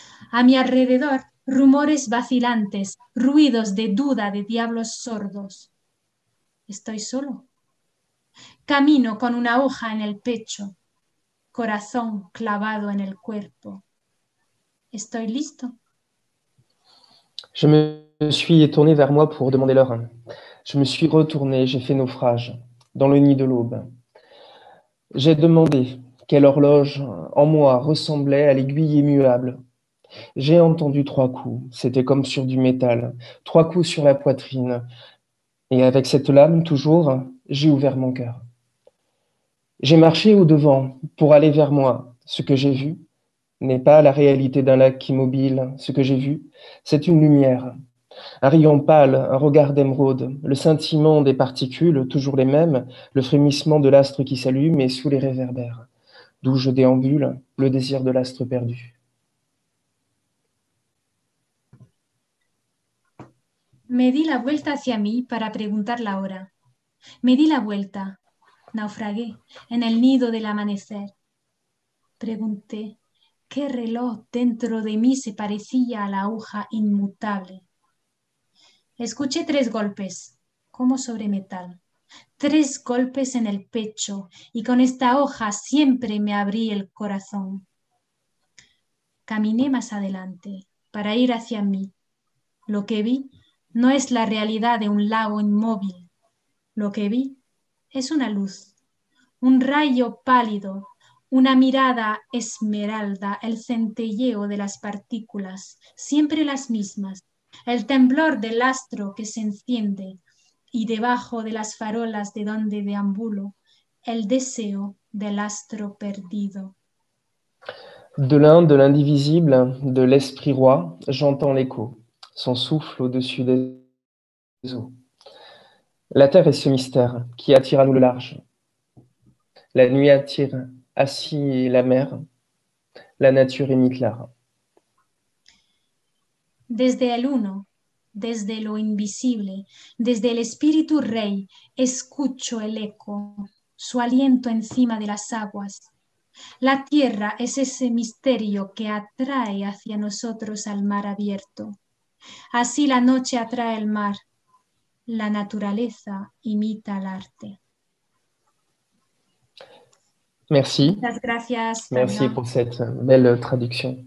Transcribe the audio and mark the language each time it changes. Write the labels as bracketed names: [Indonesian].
[Spanish] A mi alrededor, rumores vacilantes, ruidos de duda de diablos sordos. Estoy solo. Camino con una hoja en el pecho, corazón clavado en el cuerpo. ¿Estoy listo? [French] Je me suis tourné vers moi pour demander l'heure. Je me suis retourné, j'ai fait naufrage dans le nid de l'aube. J'ai demandé quelle horloge en moi ressemblait à l'aiguille immuable. J'ai entendu trois coups, c'était comme sur du métal, trois coups sur la poitrine. Et avec cette lame, toujours, j'ai ouvert mon cœur. J'ai marché au-devant pour aller vers moi. Ce que j'ai vu n'est pas la réalité d'un lac immobile. Ce que j'ai vu, c'est une lumière, un rayon pâle, un regard d'émeraude, le scintillement des particules, toujours les mêmes, le frémissement de l'astre qui s'allume et sous les réverbères. d'où je déambule, le désir de l'astre perdu. [Spanish] Me di la vuelta hacia mí para preguntar la hora. Me di la vuelta, naufragué, en el nido del amanecer. Pregunté qué reloj dentro de mí se parecía a la aguja inmutable. Escuché tres golpes, como sobre metal. Tres golpes en el pecho, y con esta hoja siempre me abrí el corazón. Caminé más adelante, para ir hacia mí. Lo que vi no es la realidad de un lago inmóvil. Lo que vi es una luz, un rayo pálido, una mirada esmeralda, el centelleo de las partículas, siempre las mismas, el temblor del astro que se enciende, y debajo de las farolas de donde deambulo, el deseo del astro perdido. [French] De l'un, de l'indivisible, de l'esprit roi, j'entends l'écho. Son souffle au-dessus des eaux. La terre est ce mystère qui attire à nous le large. La nuit attire assis la mer, la nature imite l'art. [Spanish] Desde el uno, desde lo invisible, desde el espíritu rey, escucho el eco, su aliento encima de las aguas. La tierra es ese misterio que atrae hacia nosotros al mar abierto. Así la noche atrae el mar, la naturaleza imita el arte. [French] Merci. [Spanish] Muchas gracias. [French] Merci Fabien. Pour cette belle traduction.